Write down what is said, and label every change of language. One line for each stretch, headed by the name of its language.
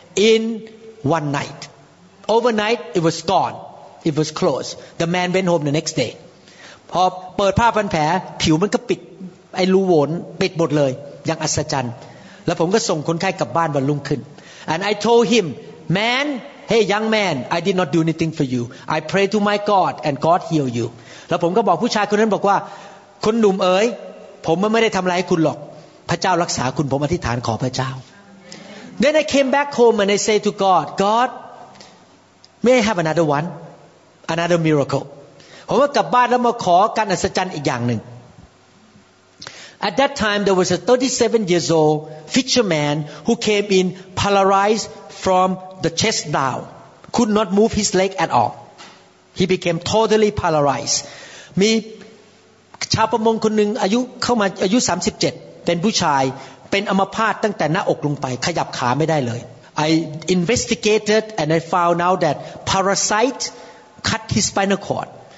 English: in one night overnight it was gone it was closed the man went home the next day
Thai: พอเปิดผ้าพันแผลผิวมันก็ปิดไอ้รูโหว่ปิดหมดเลยอย่างอัศจรรย์แล้วผมก็ส่งคนไข้กลับบ้านวันรุ่งขึ้น
English: and I told him manHey, young man, I did not do anything for you. I pray to my God, and God heal you.
Thai: แล้วผมก็บอกผู้ชายคนนั้นบอกว่าคนหนุ่มเอ๋ยผมไม่ได้ทำอะไรให้คุณหรอกพระเจ้ารักษาคุณผมอธิษฐานขอพระเจ้า
English: Then I came back home and I say to God, God, may I have another one, another miracle.
Thai: ผมก็กลับบ้านแล้วมาขอการอัศจรรย์อีกอย่างหนึ่ง
English: At that time, there was a 37 years old fisherman who came in paralyzed from. The chest down, could not move his leg at all. He became totally paralyzed.
Thai: มีชาวประมงคนนึงอายุเข้ามาอายุ37เป็นผู้ชายเป็นอัมพาตตั้งแต่หน้าอกลงไปขยับขาไม่ได้เลย
English: I investigated and I found out that parasite cut his spinal cord.